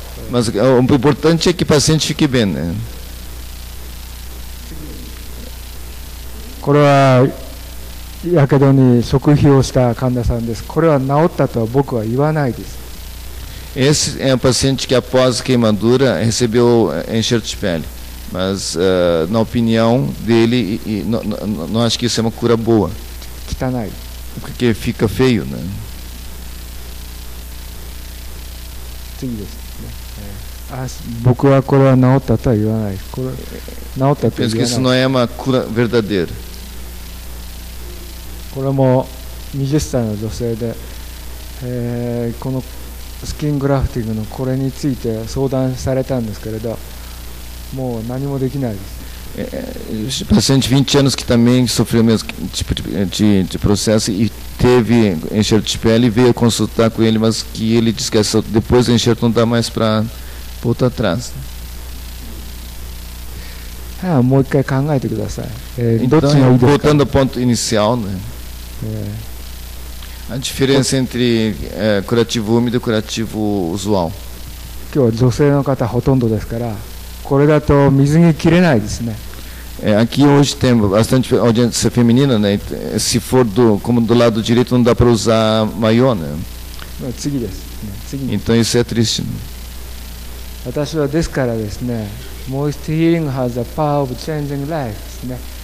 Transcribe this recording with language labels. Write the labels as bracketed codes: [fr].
[pt] Mas o importante é que o paciente fique bem, né? [ja] これは火傷に食費をした患者さんです。これは治ったとは僕は言わないです。 [pt] Esse é um paciente que após queimadura recebeu enxerto de pele. Mas na opinião dele, não acho que isso é uma cura boa. [ja] 汚い。 [pt] Porque fica feio, né? [ja] 次です。僕はこれは治ったとは言わない。これ治ったとは言わない。 [pt] Penso que isso não é uma cura verdadeira. [ja] これも20歳の女性で、このスキングラフティングのこれについて相談されたんですけれど、もう何もできないです。 [pt] Paciente 20 anos que também sofreu o mesmo tipo de processo e teve enxerto de pele e veio consultar com ele, mas que ele disse que essa, depois do enxerto não dá mais para voltar atrás. [ja] はい、もう一回考えてください。どっちがいいですか？ [pt] Voltando ao ponto inicial, né? A diferença entre curativo úmido e curativo usual. [ja] 今日は女性の方ほとんどですから、これだと水着着れないですね。 [pt] Aqui hoje tem bastante audiência feminina, né? Se for do, como do lado direito, não dá para usar maiô, né? [ja] 次です。 [pt] Então isso é triste, né? [ja] 私はですからですね、 [en] Moist healing has the power of changing lives, né?